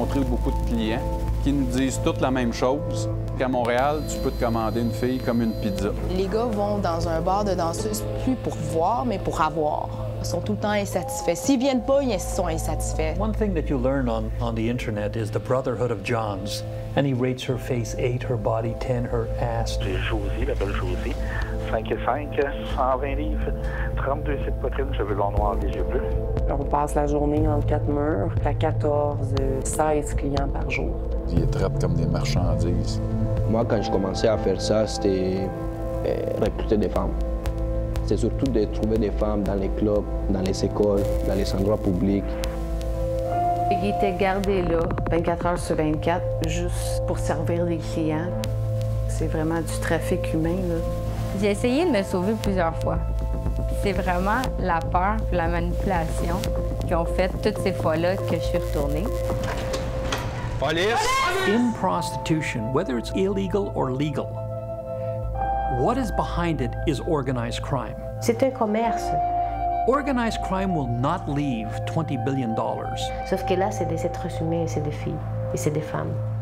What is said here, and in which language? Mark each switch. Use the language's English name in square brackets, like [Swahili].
[French] Beaucoup de clients qui nous disent toutes la même chose. Qu'à Montréal, tu peux te commander une fille comme une pizza. Les gars vont dans un bar de danseuse plus pour voir, mais pour avoir. Ils sont tout le temps insatisfaits. S'ils viennent pas, ils sont insatisfaits. [English] One thing that you learn on the internet is the brotherhood of Johns. And he rates her face 8, her body 10, her ass. [French] J'ai Josie, la belle Josie. 5 et 5, 120 livres, 32 cette poitrine, cheveux longs noirs, des yeux bleus. On passe la journée entre quatre murs, à 14, 16 clients par jour. Ils les traitent comme des marchandises. Moi, quand je commençais à faire ça, c'était recruter des femmes. C'est surtout de trouver des femmes dans les clubs, dans les écoles, dans les endroits publics. Il était gardé là, 24 heures sur 24, juste pour servir les clients. C'est vraiment du trafic humain, là. J'ai essayé de me sauver plusieurs fois. C'est vraiment la peur et la manipulation qui ont fait toutes ces fois-là que je suis retournée. Police! [English] In prostitution, whether it's illegal or legal, what is behind it is organized crime. [French] C'est un commerce. [English] Organized crime will not leave $20 billion. [French] Sauf que là, c'est des êtres humains, c'est des filles et c'est des femmes.